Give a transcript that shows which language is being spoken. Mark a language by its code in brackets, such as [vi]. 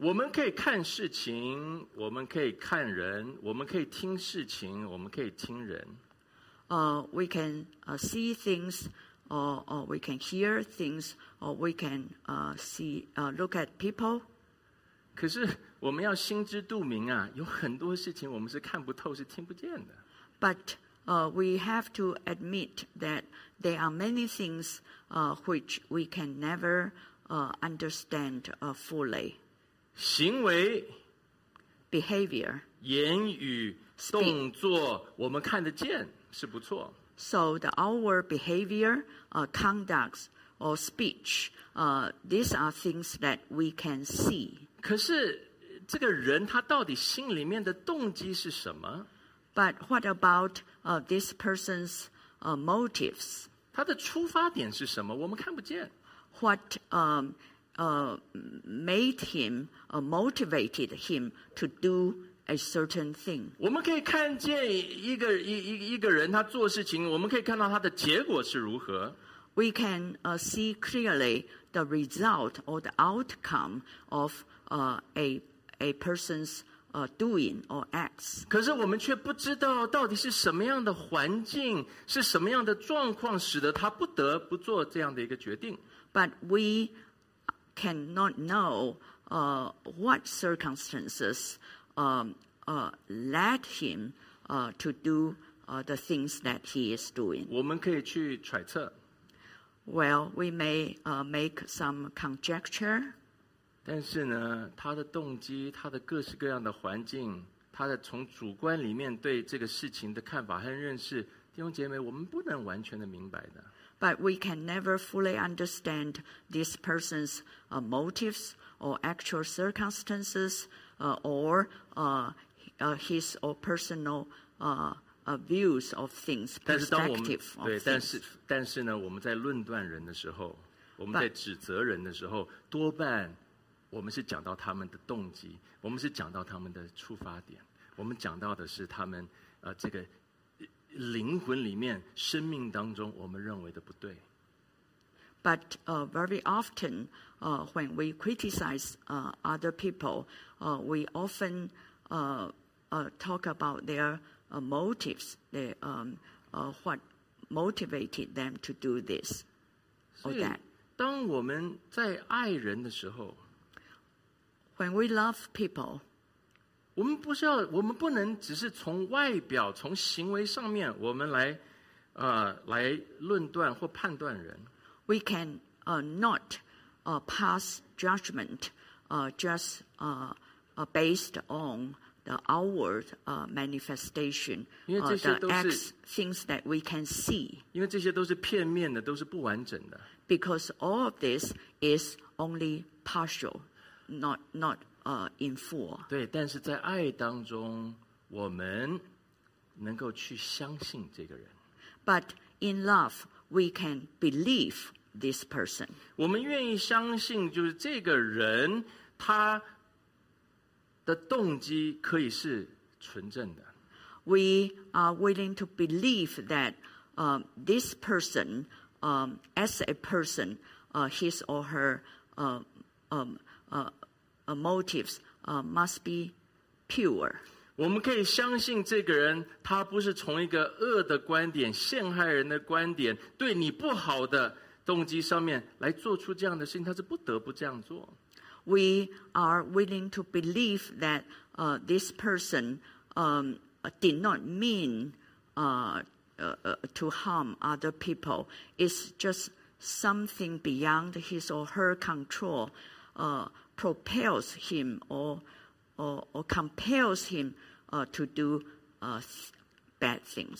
[zh] 我们可以看事情，我们可以看人，我们可以听事情，我们可以听人。 [en] We can see things, or we can hear things, or we can look at people. [zh] 可是我们要心知肚明啊，有很多事情我们是看不透，是听不见的。 [en] But we have to admit that there are many things which we can never understand fully. [zh] 行为 [en] behavior [zh] 言语 speak, 动作我们看得见是不错。 [en] So the our behavior, conducts or speech, these are things that we can see. [zh] 可是这个人他到底心里面的动机是什么？ [en] But what about this person's motives? [zh] 他的出发点是什么？我们看不见。 [en] What made him, motivated him to do a certain thing? [zh] 我们可以看见一个人他做事情，我们可以看到他的结果是如何。 [en] We can see clearly the result or the outcome of a person's doing or acts. [zh] 可是我们却不知道到底是什么样的环境，是什么样的状况使得他不得不做这样的一个决定。 [en] But we cannot know what circumstances led him to do the things that he is doing. [zh] 我们可以去揣测。 [en] Well, we may make some conjecture. [zh] 但是呢，他的动机，他的各式各样的环境，他的从主观里面对这个事情的看法和认识，弟兄姐妹，我们不能完全的明白的。 [en] But we can never fully understand this person's motives or actual circumstances or his or personal views of things, perspective of things. [zh] 但是呢，我们在论断人的时候，我们在指责人的时候，多半我们是讲到他们的动机，我们是讲到他们的出发点，我们讲到的是他们这个灵魂里面生命当中我们认为的不对。 [en] But very often, when we criticize other people, we often talk about their motives, they, what motivated them to do this or that. [zh] 当我们在爱人的时候， [en] when we love people, [zh] 我们不需要，我们不能只是从外表、从行为上面我们来，来论断或判断人。 [en] We can not pass judgment just based on the outward manifestation, the acts, things that we can see. [zh] 因为这些都是片面的，都是不完整的。 [en] Because all of this is only partial, not in full. [zh] 对，但是在爱当中，我们能够去相信这个人。 [en] But in love, we can believe. This person. [zh] 我们愿意相信就是这个人他的动机可以是纯正的。 [en] We are willing to believe that this person as a person his or her motives must be pure. [zh] 我们可以相信这个人他不是从一个恶的观点陷害人的观点对你不好的动机上面来做出这样的事情，他是不得不这样做。 [en] We are willing to believe that this person did not mean to harm other people. It's just something beyond his or her control propels him or compels him to do bad things.